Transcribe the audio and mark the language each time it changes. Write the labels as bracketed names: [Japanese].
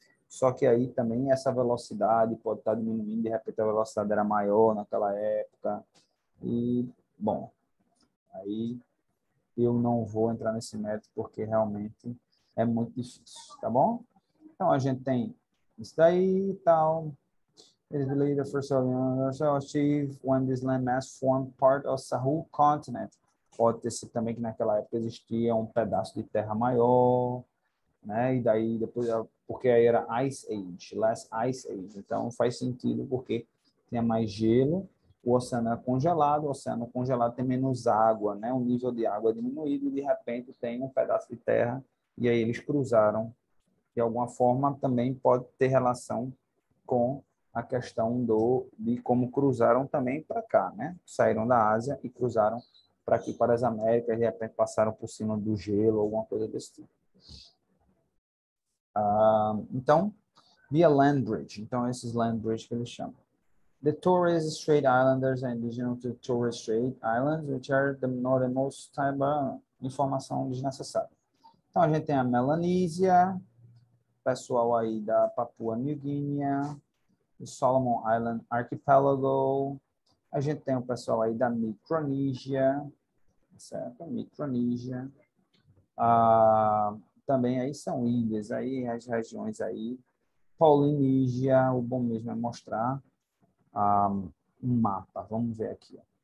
[Portuguese] Só que aí também essa velocidade pode estar diminuindo, de repente a velocidade era maior naquela época. E, bom, aí eu não vou entrar nesse método porque realmente é muito difícil, tá bom? Então a gente tem isso daí e tal. [English] It is believed the first settlement achieved when this landmass formed part of Sahul continent. [Portuguese] Pode ter sido também que naquela época existia um pedaço de terra maior, né? E daí depois, porque aí era Ice Age, Last Ice Age. Então faz sentido porque tinha mais gelo, o oceano é congelado, o oceano congelado tem menos água, né? O nível de água é diminuído e de repente tem um pedaço de terra e aí eles cruzaram. De alguma forma também pode ter relação com a questão de como cruzaram também para cá, né? Saíram da Ásia e cruzaram para aqui, para as Américas, e de repente passaram por cima do gelo, alguma coisa desse tipo. Então, via land bridge. Então, esses land bridge que eles chamam. [English] The Torres Strait Islanders are indigenous to the Torres Strait Islands, which are the northernmost Taiwan. [Portuguese] Informação desnecessária. Então, a gente tem a Melanésia, pessoal aí da Papua New Guinea, o Solomon Island Archipelago, a gente tem o pessoal aí da Micronésia, certo? Micronésia. Ah, também aí são ilhas, aí as regiões aí, Polinésia, o bom mesmo é mostrar. Ah, mapa. Vamos ver aqui.